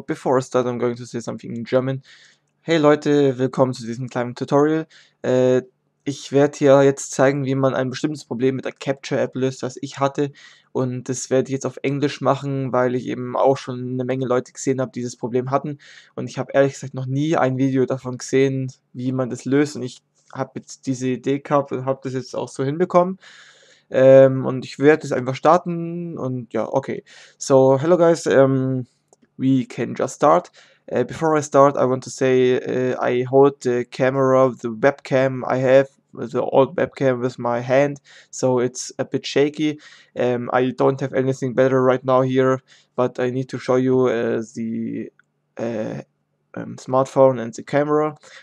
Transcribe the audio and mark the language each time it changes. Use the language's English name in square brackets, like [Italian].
[English] Before I start, I'm going to say something in German. [German] Hey Leute, willkommen zu diesem kleinen Tutorial. Ich werde hier jetzt zeigen, wie man ein bestimmtes Problem mit der Capture-App löst, das ich hatte. Und das werde ich jetzt auf Englisch machen, weil ich eben auch schon eine Menge Leute gesehen habe, die dieses Problem hatten. Und ich habe ehrlich gesagt noch nie ein Video davon gesehen, wie man das löst. Und ich habe jetzt diese Idee gehabt und habe das jetzt auch so hinbekommen. Und ich werde es einfach starten und ja, okay. [English] So, hello guys, we can just start. Before I start, I want to say I hold the camera, the webcam I have, the old webcam with my hand, so it's a bit shaky. I don't have anything better right now here, but I need to show you the smartphone and the camera.